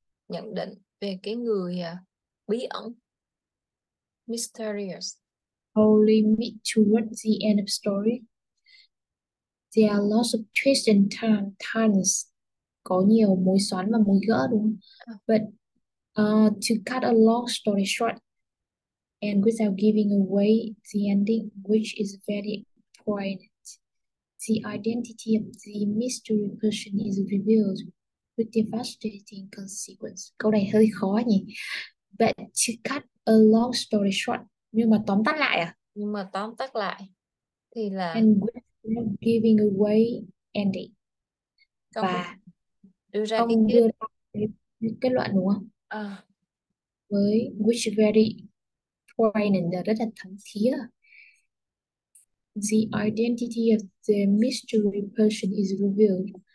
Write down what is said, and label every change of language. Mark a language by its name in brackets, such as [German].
[Vietnamese] nhận định về cái người bí ẩn, mysterious. [English] Only meet towards the end of story. There are lots of twists and turns. [Vietnamese] Có nhiều mối xoắn và mối gỡ đúng không? [English] But to cut a long story short and without giving away the ending, which is very poignant, the identity of the mystery person is revealed. devastating consequence. [Vietnamese] Câu này hơi khó nhỉ. [English] But to cut a long story short, [Vietnamese] nhưng mà tóm tắt lại à? Nhưng mà tóm tắt lại thì là [English] And giving away ending. [Vietnamese] công việc Và đưa ra cái ông kết đưa ra kết luận đúng không? à. Với [English] which very poignant, [Vietnamese] rất là thấm thía. [English] The identity of the mystery person is revealed.